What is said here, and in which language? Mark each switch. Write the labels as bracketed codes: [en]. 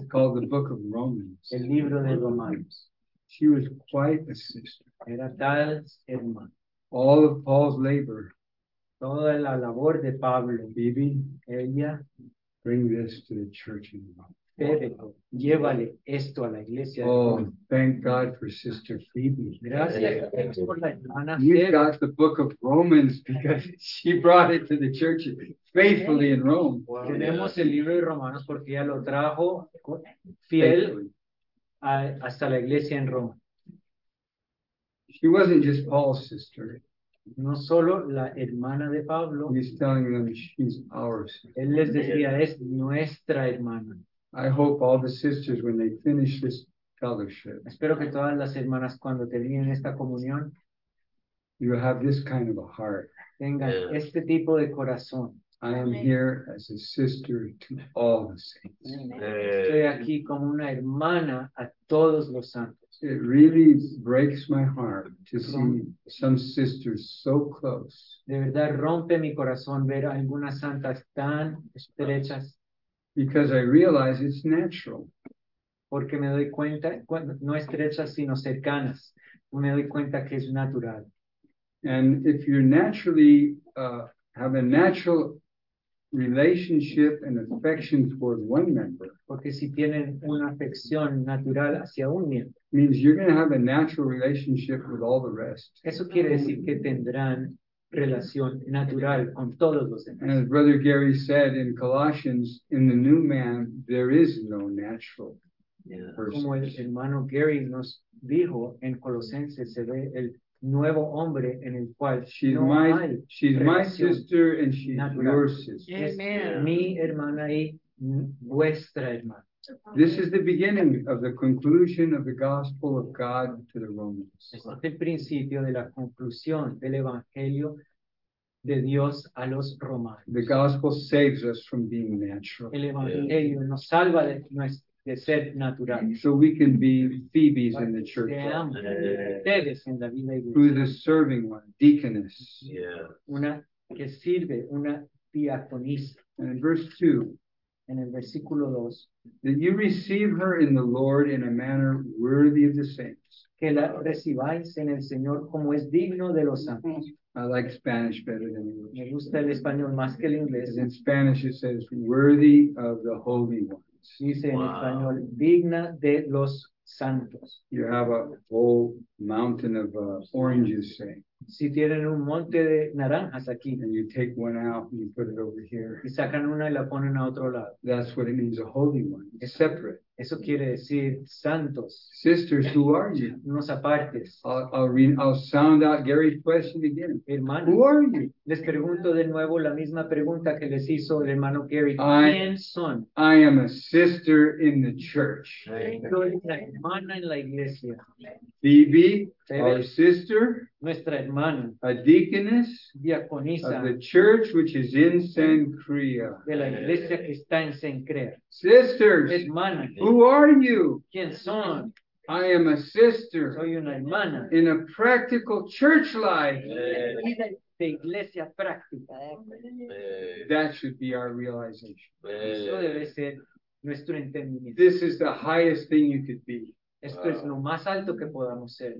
[en] It's called the Book of Romans. [es] El libro de Romanos. [en] She was quite a sister. [es] Era tal hermana. [en] All of Paul's labor. [es] Toda la labor de Pablo. Bibi, ella. [en] Bring this to the church in Rome. [es] Pero llévale esto a la iglesia. [en] Oh, thank God for Sister Phoebe. [es] Gracias. [en] You've got the book of Romans because she brought it to the church faithfully in Rome. [es] Tenemos el libro de Romanos porque ella lo trajo fiel hasta la iglesia en Roma. [en] She wasn't just Paul's sister. [es] No solo la hermana de Pablo. [en] He's telling them she's ours. [es] Él les decía, es nuestra hermana. [en] I hope all the sisters, when they finish this fellowship, [es] espero que todas las hermanas cuando terminen esta comunión, [en] you have this kind of a heart. [es] Tengan este tipo de corazón. [en] I am here as a sister to all the saints. [es] Estoy aquí como una hermana a todos los santos. [en] It really breaks my heart to see some sisters so close. [es] De verdad rompe mi corazón ver a algunas santas tan estrechas. [en] Because I realize it's natural. [es] Porque me doy cuenta, no estrechas, sino cercanas. Me doy cuenta que es natural. [en] And if you naturally have a natural relationship and affection toward one member. [es] Porque si tienen una afección natural hacia un miembro. [en] Means you're going to have a natural relationship with all the rest. [es] Eso quiere decir que tendrán relación natural con todos los demás. [en] As Brother Gary said in Colossians, in the new man, there is no natural person. [es] Como el hermano Gary nos dijo en Colosenses, se ve el nuevo hombre en el cual [en] she's [es] no [en] my, [es] hay [en] she's my sister and she's natural. Your sister. Amen. [es] Mi hermana y vuestra hermana. [en] This is the beginning of the conclusion of the gospel of God to the Romans. [es] Es el principio de la conclusión del evangelio de Dios a los romanos. [en] The gospel saves us from being natural. [es] El evangelio nos salva de ser natural. [en] So we can be Phoebes in the church. [es] Ustedes en la vida iglesia. [en] Through the serving one, deaconess. Yeah. [es] Una que sirve, una diaconisa. [en] And in verse 2. [es] en el versículo 2, [en] that you receive her in the Lord in a manner worthy of the saints. [es] Que la recibáis en el Señor como es digno de los santos. [en] I like Spanish better than English. [es] Me gusta el español más que el inglés. [en] In Spanish it says worthy of the holy ones. [es] Dice en español digna de los santos. [en] You have a whole mountain of oranges, say. [es] Si tienen un monte de naranjas aquí. [en] And you take one out and you put it over here. [es] Y sacan una y la ponen a otro lado. [en] That's what it means, a holy one. It's separate. [es] Eso quiere decir santos. [en] Sisters, who are you? [es] Unos apartes. [en] I'll sound out Gary's question again. [es] Hermano, [en] who are you? [es] Les pregunto de nuevo la misma pregunta que les hizo el hermano Gary. ¿Quién son? [en] I am a sister in the church. [es] Soy una hermana en la iglesia. [en] Phoebe, Phoebe, our sister. [es] Nuestra hermana. [en] A deaconess. [es] Diaconisa. [en] Of the church which is in Cenchrea. [es] De la iglesia que está en Cenchrea. [en] Sisters. [es] Hermana. [en] Who are you? [es] ¿Quién son? [en] I am a sister. [es] Soy una hermana. [en] In a practical church life. [es] De iglesia práctica. [en] That should be our realization. [es] Eso debe ser nuestro entendimiento. [en] This is the highest thing you could be. [es] Esto es lo más alto que podamos ser.